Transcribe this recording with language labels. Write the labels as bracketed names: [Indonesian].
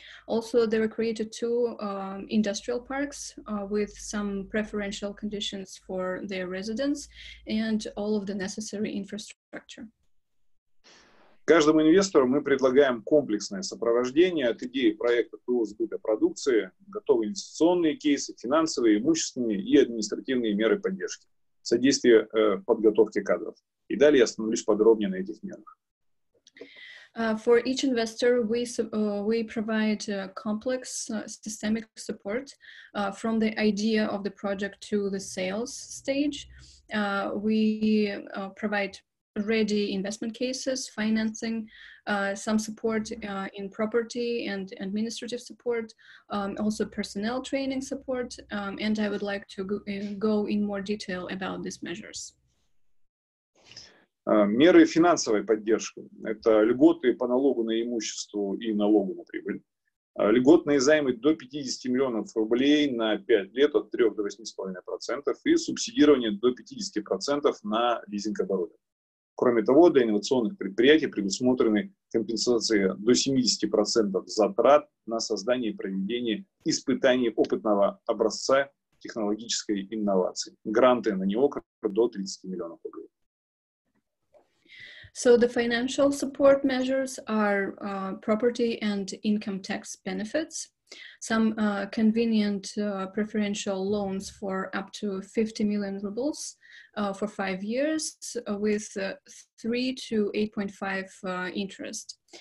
[English] Also, there were created two industrial parks with some preferential conditions for their residents and all of the necessary infrastructure. [Russian] Каждому инвестору мы предлагаем комплексное сопровождение от идеи проекта до сбыта продукции, готовые инвестиционные кейсы, финансовые, имущественные и административные меры поддержки, содействие подготовке кадров. И далее я остановлюсь подробнее на этих мерах. [English] For each investor, we provide complex systemic support from the idea of the project to the sales stage. We provide ready investment cases, financing, some support in property and administrative support, also personnel training support, and I would like to go in more detail about these measures. [Russian] Меры финансовой поддержки – это льготы по налогу на имущество и налогу на прибыль. Льготные займы до 50 миллионов рублей на 5 лет от 3 до 8,5% и субсидирование до 50% на лизинг оборудования. Кроме того, для инновационных предприятий предусмотрены компенсации до 70% затрат на создание и проведение испытаний опытного образца технологической инновации. Гранты на него до 30 миллионов рублей. [English] So the financial support measures are property and income tax benefits, some convenient preferential loans for up to 50 million rubles for 5 years with 3 to 8.5 interest,